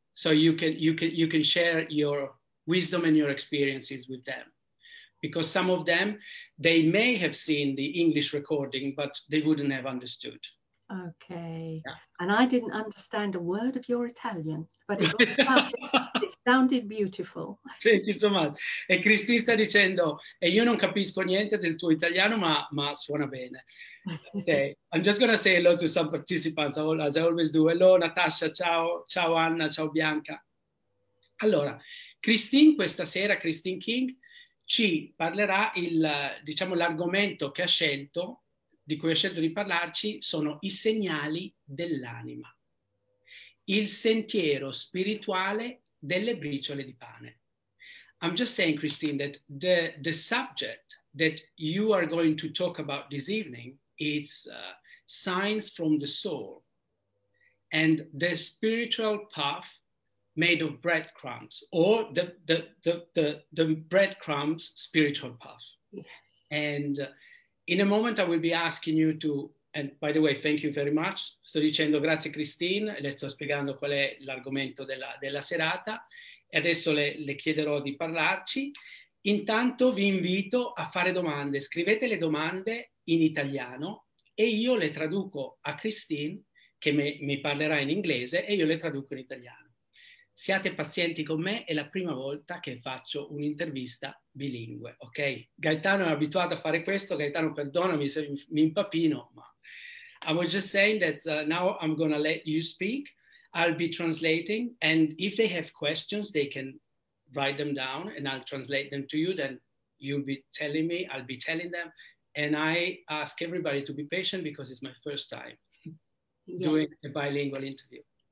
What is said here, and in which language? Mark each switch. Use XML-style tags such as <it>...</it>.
<en>So you can share your wisdom and your experiences with them. Because some of them, they may have seen the English recording, but they wouldn't have understood. Okay. Yeah. And I didn't understand a word of your Italian, but it sounded beautiful. Thank you so much.</en> <it>E Christine sta dicendo, e io non capisco niente del tuo italiano, ma suona bene.</it> <en>Okay, I'm just going to say hello to some participants, as I always do.</en> <it>Hello, Natasha, ciao. Ciao, Anna, ciao, Bianca. Allora, Christine, questa sera, Christine King, ci parlerà, l'argomento che ha scelto, di cui ha scelto di parlarci, sono i segnali dell'anima, il sentiero spirituale delle briciole di pane.</it> <en>I'm just saying, Christine, that the subject that you are going to talk about this evening is signs from the soul and the spiritual path made of breadcrumbs, or the breadcrumbs spiritual path. Yes. And in a moment I will be asking you to, and by the way, thank you very much.</en> <it>Sto dicendo grazie Christine, le sto spiegando qual è l'argomento della serata, e adesso le chiederò di parlarci. Intanto vi invito a fare domande, scrivete le domande in italiano e io le traduco a Christine, che mi parlerà in inglese, e io le traduco in italiano. Siate pazienti con me, è la prima volta che faccio un'intervista bilingue, ok? Gaetano è abituato a fare questo, Gaetano perdonami se mi impapino, ma...</it> <en>I was just saying that now I'm gonna let you speak, I'll be translating, and if they have questions, they can write them down, and I'll translate them to you, then you'll be telling me, I'll be telling them, and I ask everybody to be patient because it's my first time doing a bilingual interview.</en>